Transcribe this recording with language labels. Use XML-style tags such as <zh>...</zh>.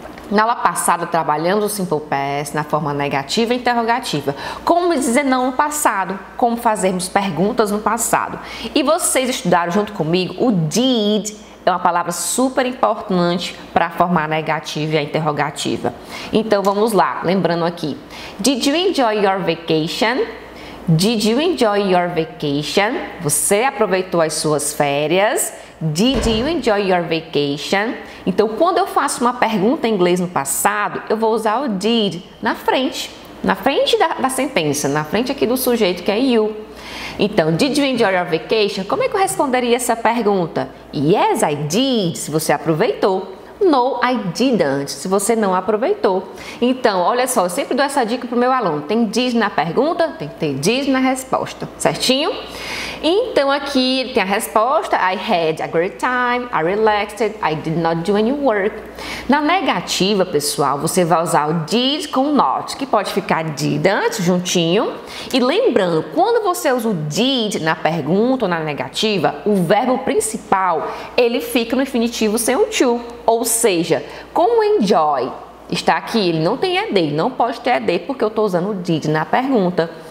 <pt>Na aula passada, trabalhamos o simple past na forma negativa e interrogativa. Como dizer não no passado? Como fazermos perguntas no passado? E vocês estudaram junto comigo o did. É uma palavra super importante para a forma negativa e a interrogativa. Então, vamos lá. Lembrando aqui.</pt> <en>Did you enjoy your vacation? Did you enjoy your vacation?</en> <pt>Você aproveitou as suas férias?</pt> <en>Did you enjoy your vacation?</en> <pt>Então, quando eu faço uma pergunta em inglês no passado, eu vou usar o did na frente. Na frente da sentença, na frente aqui do sujeito, que é you. Então,</pt> <en>did you enjoy your vacation?</en> <pt>Como é que eu responderia essa pergunta?</pt> <en>Yes, I did,</en> <pt>se você aproveitou.</pt> <en>No, I didn't,</en> <pt>se você não aproveitou. Então, olha só, eu sempre dou essa dica pro meu aluno. Tem did na pergunta, tem que ter did na resposta, certinho? Então, aqui tem a resposta,</pt> <en>I had a great time, I relaxed, I did not do any work.</en> <pt>Na negativa, pessoal, você vai usar o did com not, que pode ficar didn't, juntinho. E lembrando, quando você usa o did na pergunta ou na negativa, o verbo principal, ele fica no infinitivo sem o to. Ou seja, como enjoy está aqui, ele não tem ed, não pode ter ed, porque eu estou usando o did na pergunta.</pt>